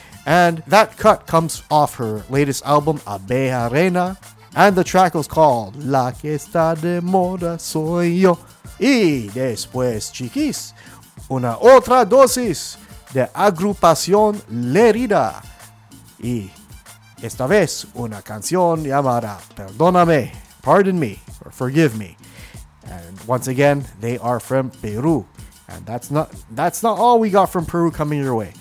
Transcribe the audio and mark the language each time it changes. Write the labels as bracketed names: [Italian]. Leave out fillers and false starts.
[English] And that cut comes off her latest album, Abeja Reina. And the track was called La Que Está De Moda Soy Yo. [Spanish] Y después, Chiquis, una otra dosis de Agrupación Lerida. Y esta vez, una canción llamada Perdóname, [English] Pardon Me, or Forgive Me. And once again, they are from Peru. And that's not all we got from Peru coming your way.